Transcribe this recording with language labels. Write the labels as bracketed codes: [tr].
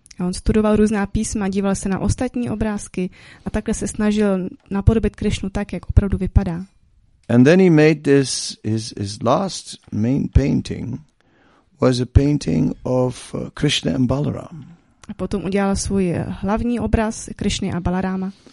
[cs] A on studoval různá písma, díval se na ostatní obrázky a takhle se snažil napodobit Krishnu tak, jak opravdu vypadá. [en] And then he made this, his last main painting was a painting of Krishna and Balaram. [cs] A potom udělal svůj hlavní obraz Krishny a Balarama.